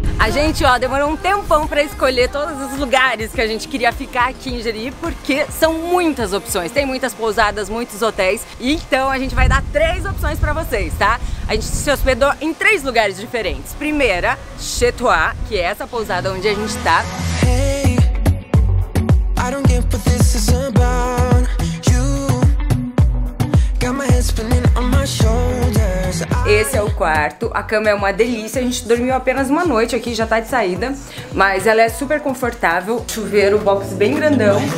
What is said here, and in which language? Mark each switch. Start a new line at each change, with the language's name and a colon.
Portuguese: Gente, ó, demorou um tempão pra escolher todos os lugares que a gente queria ficar aqui em Jeri, porque são muitas opções. Tem muitas pousadas, muitos hotéis. Então a gente vai dar 3 opções pra vocês, tá? A gente se hospedou em 3 lugares diferentes. Primeira, Chetuá, que é essa pousada onde a gente tá.
English: Hey, I don't get what this is about. You got my head spinning on my shoulders.
Portuguese: Esse é o quarto, a cama é uma delícia, a gente dormiu apenas uma noite aqui, já tá de saída, mas ela é super confortável, chuveiro, box bem grandão.